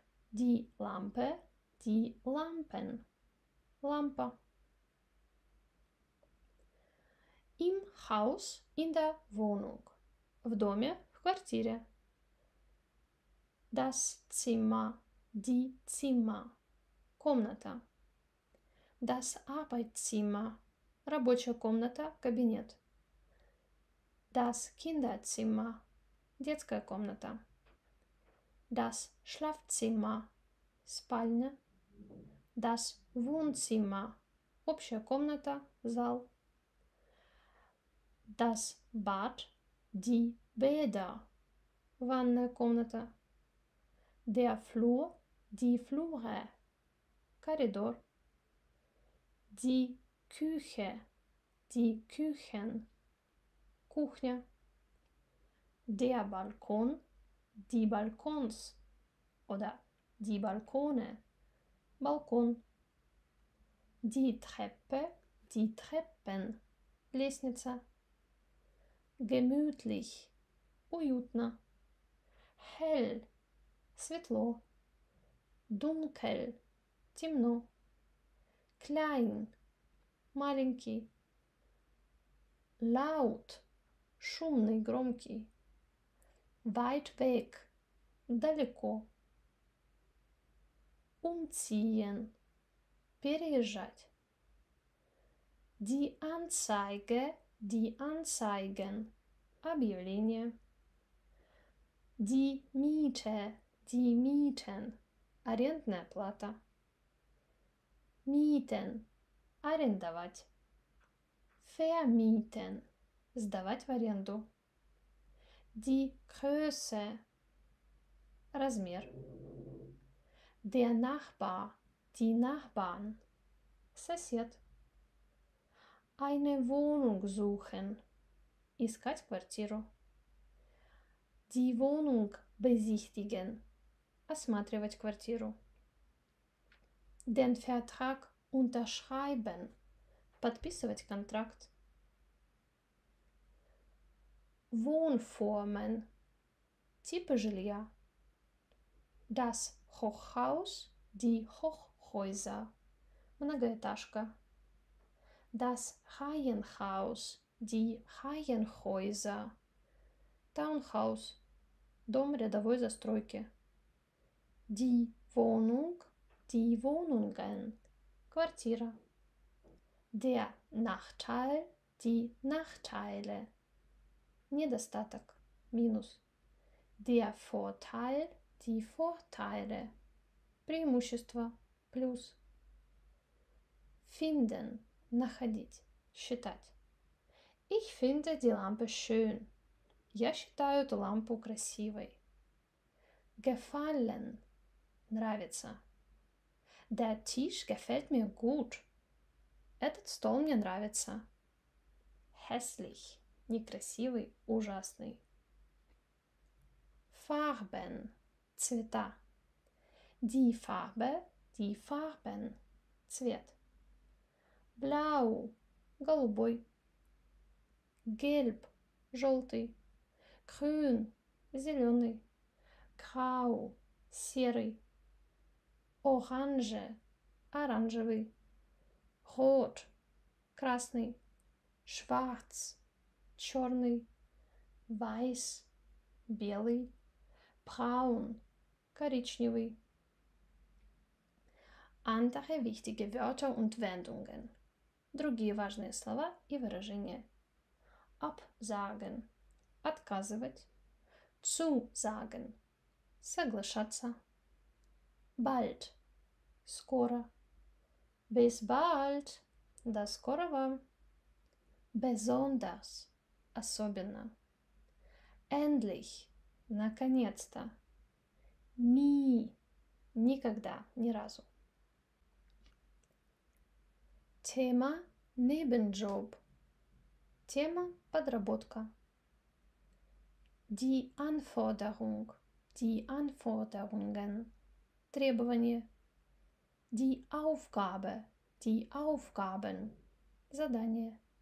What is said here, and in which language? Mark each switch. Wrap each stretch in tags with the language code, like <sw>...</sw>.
<de>Die Lampe, die Lampen, Lampe. Im Haus, in der Wohnung,</de> <ru>в доме, в квартире.</ru> <de>Das Zimmer, die Zimmer, комната. Das Arbeitszimmer,</de> <ru>рабочая комната, кабинет.</ru> <de>Das Kinderzimmer,</de> <ru>детская комната.</ru> <de>Das Schlafzimmer, спальня. Das Wohnzimmer,</de> <ru>общая комната, зал.</ru> <de>Das Bad, die Bäder,</de> <ru>ванная комната.</ru> <de>Der Flur, die Flure, коридор. Die Küche, die Küchen, кухня. Der Balkon, die Balkons, oder die Balkone, Balkon. Die Treppe, die Treppen, лестница. Gemütlich, уютно. Hell, светло. Dunkel, темно. Klein, маленький.</de> <ru>Laut, шумный, громкий.</ru> <de>Weit weg, далеко. Umziehen, переезжать. Die Anzeigen, объявление. Die Mieten,</de> <ru>арендная плата.</ru> <de>Mieten, арендовать.</de> <ru>Vermieten, сдавать в аренду.</ru> <de>Die Größe, размер. Der Nachbar, die Nachbarn, сосед. Eine Wohnung suchen,</de> <ru>искать квартиру.</ru> <de>Die Wohnung besichtigen,</de> <ru>осматривать квартиру.</ru> <de>Den Vertrag unterschreiben,</de> <ru>подписывать контракт. Wohnformen, типы жилья.</ru> <de>Das Hochhaus, die Hochhäuser, многоэтажка. Das Reihenhaus, die Reihenhäuser, Townhouse,</de> <ru>дом рядовой застройки.</ru> <de>Die Wohnung, die Wohnungen, квартира. Der Nachteil, die Nachteile,</de> <ru>недостаток, минус.</ru> <de>Der Vorteil, die Vorteile,</de> <ru>преимущество, плюс. Finden, находить, считать.</ru> <de>Ich finde die Lampe schön,</de> <ru>я считаю эту лампу красивой.</ru> <de>Gefallen, нравится. Der Tisch gefällt mir gut,</de> <ru>этот стол мне нравится. Hässlich, некрасивый, ужасный.</ru> <de>Farben, цвета. Die Farbe, die Farben, цвет. Blau, голубой. Gelb, желтый. Grün, зеленый. Grau, серый. Orange, оранжевый. Rot, красный. Schwarz, черный. Weiß, белый. Braun, коричневый. Andere wichtige Wörter und Wendungen.</de> <ru>Другие важные слова и выражения.</ru> <de>Absagen, отказывать. Zusagen, соглашаться. Bald, скоро. Bis bald,</de> <ru>до скорого.</ru> <de>Besonders, особенно. Endlich, наконец-то.</de> <ru>Nie, никогда, ни разу. Тема Nebenjob. Тема подработка.</ru> <de>Die Anforderung. Die Anforderungen. Требования. Die Aufgabe. Die Aufgaben. Задание.</de>